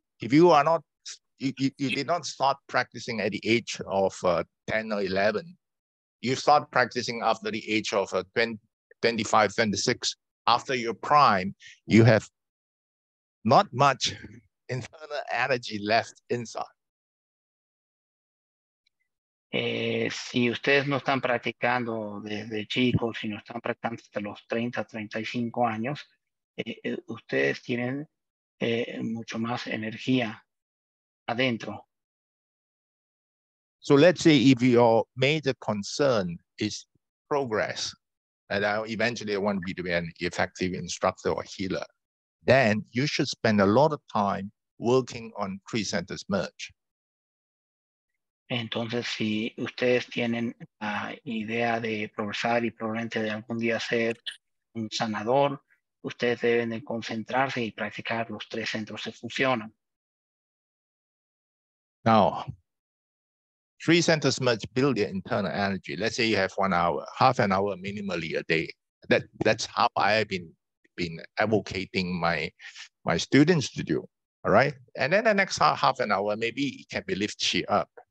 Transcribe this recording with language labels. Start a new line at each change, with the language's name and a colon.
English: If you are not, you did not start practicing at the age of 10 or 11. You start practicing after the age of 25, 26. After your prime, you have not much internal energy left inside.
Spanish: Si ustedes no están practicando desde chicos, si no están practicando hasta los 30, 35 años, ustedes tienen mucho más energía adentro.
English: So let's say if your major concern is progress, and eventually I want to be an effective instructor or healer, then you should spend a lot of time working on three centers merge.
Spanish: Entonces, si ustedes tienen la idea de progresar y probablemente de algún día ser un sanador, ustedes deben de concentrarse y practicar los tres centros que funcionan.
English: Now, three centers must build your internal energy. Let's say you have 1 hour, half an hour minimally a day. That's how I have been advocating my students to do, all right? And then the next half an hour, maybe it can be lift she up.